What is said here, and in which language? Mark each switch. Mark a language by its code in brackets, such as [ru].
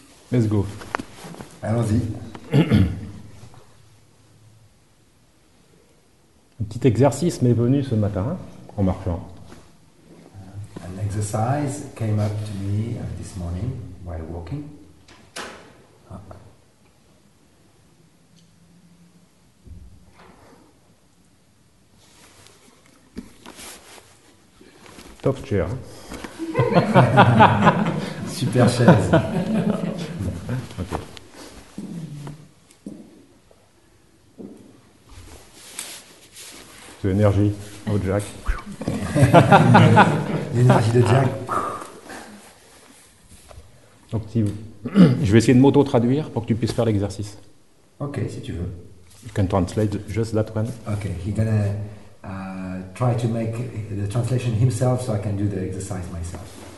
[en] Let's go. [fr] Allons-y. Un petit exercice m'est venu ce matin en marchant. [en] An exercise came up to me this morning while walking. Top chair. [fr] Super chaise. Okay. C'est l'énergie. Oh, Jack. L'énergie de Jack. Donc, si vous... Je vais essayer de m'auto-traduire pour que tu puisses faire l'exercice. Ok, si tu veux. [en] You can translate just that one. Ok, he's gonna try to make the translation himself so I can do the exercise myself.